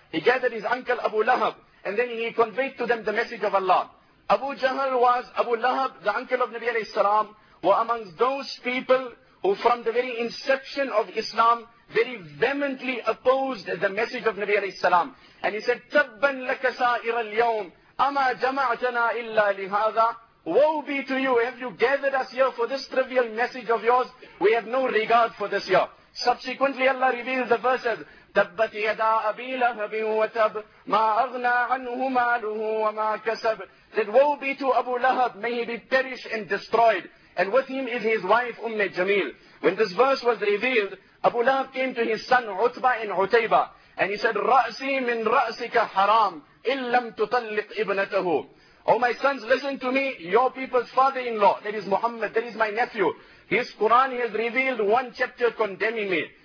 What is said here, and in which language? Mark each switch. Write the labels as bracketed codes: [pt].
[en] He gathered his uncle Abu Lahab. And then he conveyed to them the message of Allah. Abu Jahl was Abu Lahab, the uncle of Nabi alayhi salam, were amongst those people who from the very inception of Islam very vehemently opposed the message of Nabi alayhi salam. [ar] And he said, تَبَّنْ لَكَ سَائِرَ الْيَوْمِ أَمَا جَمَعْتَنَا إِلَّا لِهَذَا. [en] Woe be to you, have you gathered us here for this trivial message of yours? We have no regard for this year. Subsequently, Allah reveals the verses, [ar] تَبَّتْ يَدَا أَبِي لَهَبٍ وَتَبْ مَا أَغْنَى عَنْهُ مَالُهُ وَمَا كَسَبْ. [en] That woe be to Abu Lahab, may he be perished and destroyed. And with him is his wife, Jamil. When this verse was revealed, Abu Lahab came to his son Utba and Utayba, and he said, [ar] رَأْسِي مِنْ رَأْسِكَ حَرَامٍ إِلَّا لَمْ تُطَلِّقْ إِبْنَتَهُ. [en] Oh my sons, listen to me, your people's father-in-law, that is Muhammad, that is my nephew, his Quran has revealed 1 chapter condemning me.